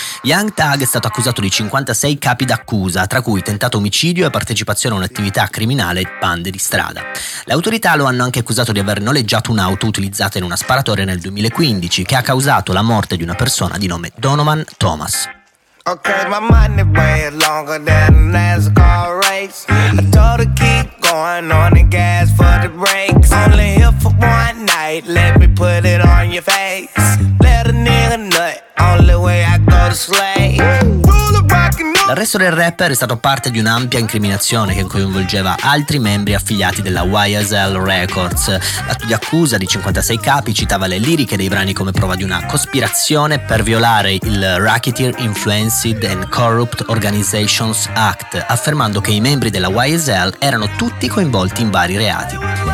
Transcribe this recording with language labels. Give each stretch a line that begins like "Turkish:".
Italian: Young Thug è stato accusato di 56 capi d'accusa, tra cui tentato omicidio e partecipazione a un'attività criminale e bande di strada. Le autorità lo hanno anche accusato di aver noleggiato un'auto utilizzata in una sparatoria nel 2015 che ha causato la morte di una persona di nome Donovan Thomas.
English: Okay, my money way longer than a NASCAR race. I told her keep going on the gas for the brakes. Only here for one night, let me put it on your face. Let a nigga nut, only way I go to slay.
Italian: L'arresto del rapper è stato parte di un'ampia incriminazione che coinvolgeva altri membri affiliati della YSL Records. L'atto di accusa di 56 capi citava le liriche dei brani come prova di una cospirazione per violare il Racketeer Influenced and Corrupt Organizations Act, affermando che i membri della YSL erano tutti coinvolti in vari reati.